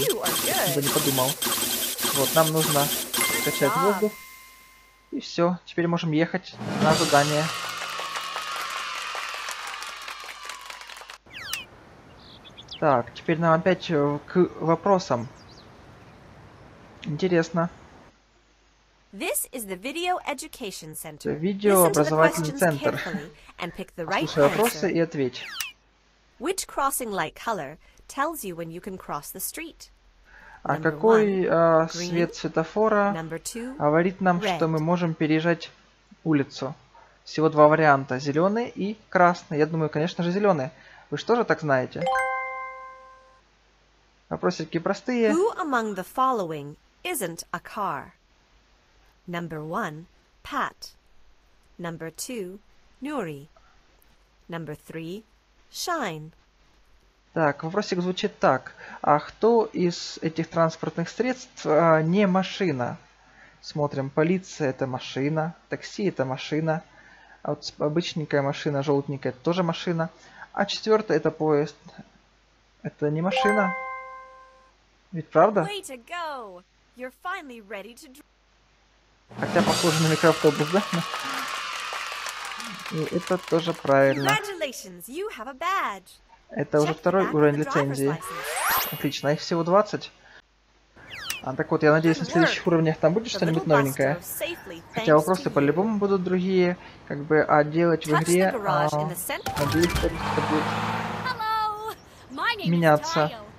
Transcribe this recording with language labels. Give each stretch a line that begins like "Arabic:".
Russian: Я не подумал. Вот, нам нужно качать воздух. И все, теперь можем ехать на задание. Так, теперь нам опять к вопросам. Интересно.
English: This is the video education center.
Russian: Видео образовательный центр. Слушай вопросы и ответь.
English: Which crossing light color tells you when you can cross the street?
Russian: А какой свет светофора говорит нам, что мы можем переезжать улицу? Всего два варианта: зеленый и красный. Я думаю, конечно же, зеленый. Вы что же так знаете? Вопросики простые.
English: Who among the following isn't a car? Number one, Pat. Number two, Nuri. Number three, Shine.
Russian: Так, вопросик звучит так. А кто из этих транспортных средств не машина? Смотрим, полиция — это машина, такси — это машина, а вот обычненькая машина, желтенькая — это тоже машина. А четвертый — это поезд. Это не машина. Ведь правда?
English: Way to go. You're finally ready to...
Russian: Хотя похоже на микроавтобус, да? И это тоже правильно.
English: Congratulations, you have a badge.
Russian: Это уже второй уровень лицензии. Отлично, их всего 20. А так вот, я надеюсь, на следующих уровнях там будет что-нибудь новенькое. Хотя вопросы по-любому будут другие, как бы, а делать в игре, надеюсь, меняться.